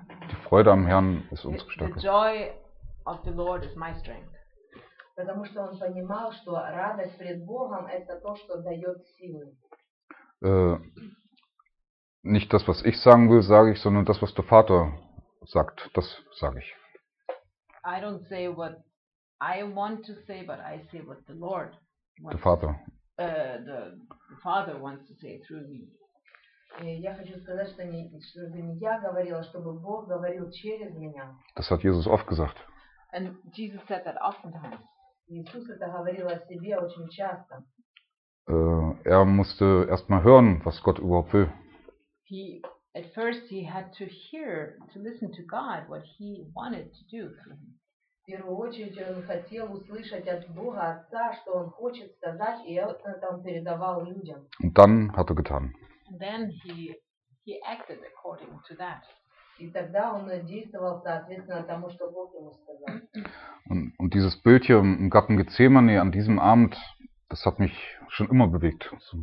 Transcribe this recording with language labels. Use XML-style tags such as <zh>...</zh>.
<de>Die Freude am Herrn ist unsere Stärke.</de> <en>The joy of the Lord is my strength.</en> <ru>Потому что он понимал, что радость пред Богом – это то, что дает силы.</ru> <de>Nicht das, was ich sagen will, sage ich, sondern das, was der Vater sagt, das sage ich.</de> <en>I don't say what I want to say, but I say what the Lord wants.</en> <de>Der Vater.</de> <en>The Father wants to say through me.</en> <ru>Я хочу сказать, чтобы не я говорила, чтобы Бог говорил через меня.</ru> <de>Das hat Jesus oft gesagt.</de> <en>And Jesus said that oftentimes.</en> <ru>Иисус это говорил о себе очень часто.</ru> <de>Er musste erst mal hören, was Gott überhaupt will.</de> <en>At first he had to hear, to listen to God, what he wanted to do.</en> <ru>В первую очередь он хотел услышать от Бога Отца, что он хочет сказать, и это он передавал людям.</ru> <de>Und dann hat getan.</de> <en>Then he acted according to that.</en> <ru>И тогда он действовал соответственно тому, что Бог ему сказал.</ru> <de>Und dieses Bild hier im Garten Gethsemane an diesem Abend, das hat mich schon immer bewegt.</de>